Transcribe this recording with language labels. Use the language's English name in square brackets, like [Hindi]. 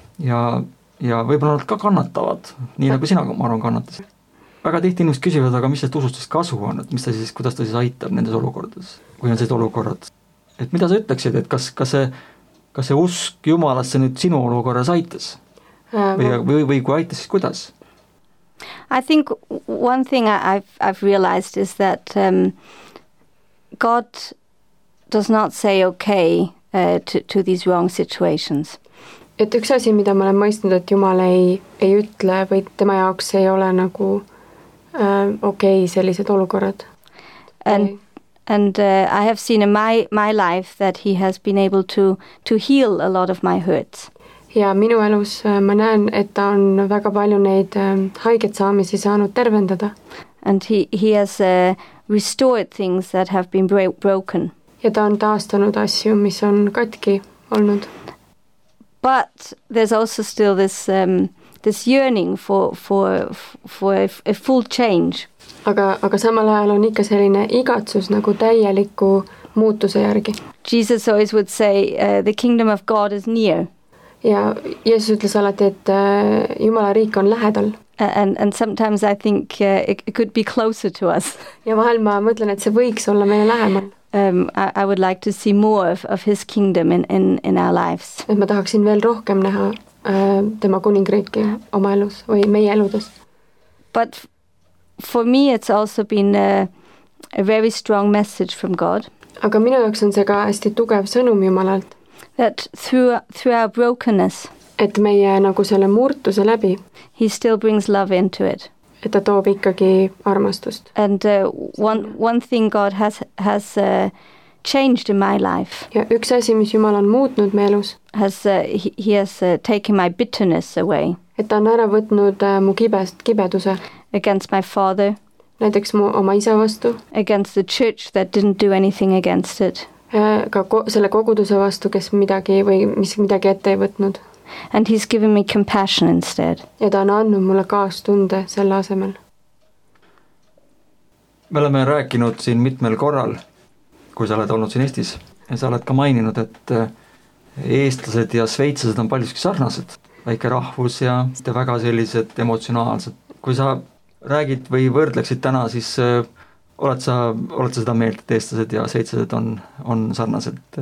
[Estonian] Ja võib-olla nad ka kannatavad, nii nagu sina, ma arvan, kannatasid. Väga tihti inimesed küsivad, aga mis see usustus kasu on, et mis ta siis, kuidas ta siis aitab nendes olukordades, kui on see olukorrad. Et mida sa ütleksid, et kas see usk Jumalasse nüüd sinu olukorras aitas? Või kui aitas, siis kuidas? [English] I think one thing I've realized is that God does not say okay to these wrong situations. [Estonian] Et üks asi, mida ma olen mõistnud, et Jumal ei ütle või tema jaoks ei ole nagu okei okay, sellised olukorrad. [English] And I have seen in my life that he has been able to heal a lot of my hurts. [Estonian] Ja minu elus ma näen, et ta on väga palju neid haiget saamisi saanud tervendada. [English] And he has restored things that have been broken. [Estonian] Ja ta on taastanud asju, mis on katki olnud. [English] But there's also still this yearning for a full change. [Estonian] Aga samal ajal on ikka selline igatsus nagu täieliku muutuse järgi. [English] Jesus always would say the kingdom of God is near. [Estonian] Ja Jeesus ütles alati, et Jumala riik on lähedal. [English] And sometimes I think it could be closer to us. [Estonian] Ja vahel ma mõtlen, et see võiks olla meile lähemal. [English] I would like to see more of his kingdom in our lives. [Estonian] Et ma tahaksin veel rohkem näha tema kuningriiki oma elus või meie eludes. [English] But for me it's also been a very strong message from God. [Estonian] Aga minu jaoks on see ka hästi tugev sõnum Jumalalt. [English] That through our brokenness, [Estonian] et meie nagu selle murtuse läbi, [English] he still brings love into it. [Estonian] Et ta toob ikkagi armastust. [English] And one thing God has changed in my life. [Estonian] Ja üks asi, mis Jumal on muutnud meie elus, [English] he has taken my bitterness away. [Estonian] Et ta on ära võtnud mu kibeduse. [English] Against my father. [Estonian] Näiteks mu oma isa vastu. [English] Against the church that didn't do anything against it. [Estonian] Ka selle koguduse vastu, kes midagi või mis midagi ette ei võtnud. [English] And he's given me compassion instead. [Estonian] Ja ta on annud mulle kaastunde selle asemel. Me oleme rääkinud siin mitmel korral, kui sa oled olnud siin Eestis. Ja sa oled ka maininud, et eestlased ja sveitsased on paljuski sarnased. Väike rahvus ja väga sellised emotsionaalsed. Kui sa räägid või võrdleksid täna, siis oled sa seda meelt, et eestlased ja seitsased on sarnased.